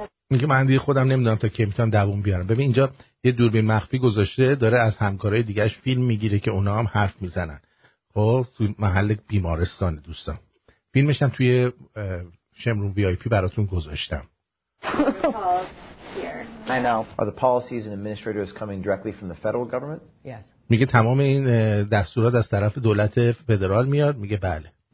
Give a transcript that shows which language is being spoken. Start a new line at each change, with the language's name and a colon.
Persian: میگه من دیگه خودم نمیدونم تا کی میتونم دووم بیارم. ببین اینجا یه دوربین مخفی گذاشته داره از همکارای دیگه‌اش فیلم میگیره که اونا هم حرف میزنن. خب تو محل بیمارستان دوستان. فیلمش هم توی شمرون وی آی پی براتون گذاشتم.
English: I know. Are the policies and administrators coming directly from the federal government? Yes.
Persian: میگه تمام این دستورات از طرف دولت فدرال میاد؟ میگه بله.